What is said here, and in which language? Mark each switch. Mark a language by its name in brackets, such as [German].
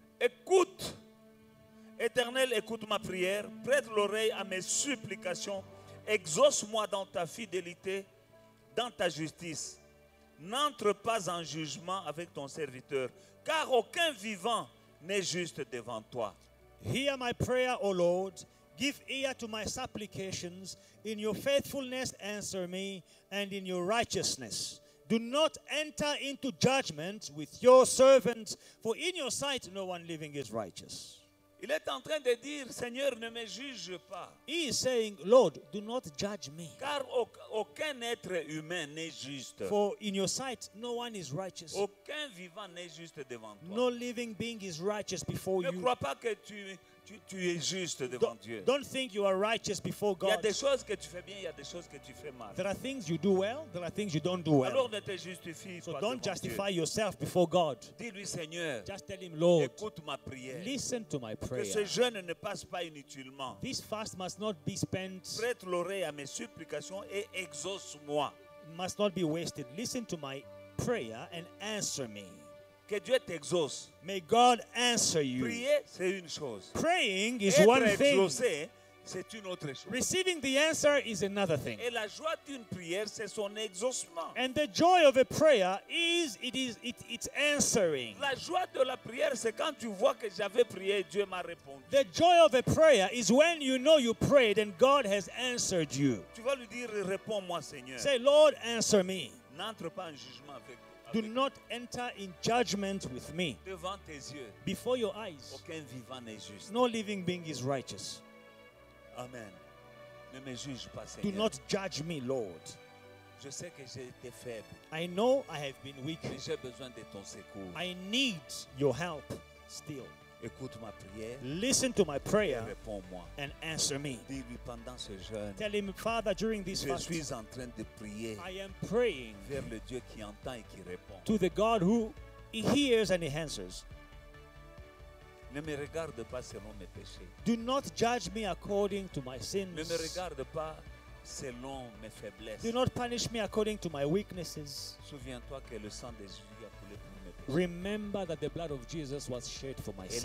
[French] Écoute, Éternel, écoute ma prière, prête l'oreille à mes supplications, exauce-moi dans ta fidélité, dans ta justice. N'entre pas en jugement avec ton serviteur, car aucun vivant n'est juste devant toi. [English] Hear my prayer, O Lord, give ear to my supplications, in your faithfulness answer me, and in your righteousness. Do not enter into judgment with your servant, for in your sight no one living is righteous. [French] Il est en train de dire, Seigneur, ne me juge pas. [English] He is saying, Lord, do not judge me. [French] Car aucun être humain n'est juste. [English] For in your sight no one is righteous. [French] Aucun vivant n'est juste devant toi. [English] No living being is righteous before you. [French] Ne crois pas que tu es juste devant Dieu. [English] Don't think you are righteous before God. [French] Il y a des choses que tu fais bien, il y a des choses que tu fais mal. [English] There are things you do well, there are things you don't do well. [French] Alors ne te justifie pas. [English] So don't justify yourself before God. [French] Dis-lui, Seigneur. [English] Just tell him, Lord. [French] Écoute ma prière. [English] Listen to my prayer. [French] Que ce jeûne ne passe pas inutilement. [English] This fast must not be spent. [French] Prête l'oreille à mes supplications et exauce-moi. [English] Must not be wasted. Listen to my prayer and answer me. [French] Que Dieu t'exauce. [English] May God answer you. [French] Prier, c'est une chose. [English] Praying is [French] être [English] one [French] exaucé, [English] thing. [French] C'est une autre chose. [English] Receiving the answer is another thing. [French] Et la joie d'une prière, c'est son exaucement. [English] And the joy of a prayer is it's answering. [French] La joie de la prière, c'est quand tu vois que j'avais prié et Dieu m'a répondu. [English] The joy of a prayer is when you know you prayed and God has answered you. [French] Tu vas lui dire, réponds-moi, Seigneur. [English] Say, Lord, answer me. [French] N'entre pas en jugement avec. [English] Do not enter in judgment with me. [French] Devant tes yeux, [English] before your eyes, [French] aucun vivant n'est juste. [English] No living being is righteous. [French] Amen. Ne me juge pas, Seigneur. [English] Do not judge me, Lord. [French] Je sais que j'ai été faible. [English] I know I have been weak. [French] Mais j'ai besoin de ton secours. [English] I need your help still. [French] Écoute ma prière. [English] Listen to my prayer. [French] Et réponds-moi. [English] And answer me. [French] Dis-lui pendant ce jeûne. [English] Tell him, Father, during this fast. [French] Je suis en train de prier. [English] I am praying. [French] Vers le Dieu qui entend et qui répond. [English] To the God who hears and he answers. [French] Ne me regarde pas selon mes péchés. [English] Do not judge me according to my sins. [French] Ne me regarde pas selon mes faiblesses. [English] Do not punish me according to my weaknesses. [French] Souviens-toi que le sang de Jésus a coulé pour mes péchés. [English] Remember that the blood of Jesus was shed for my sins.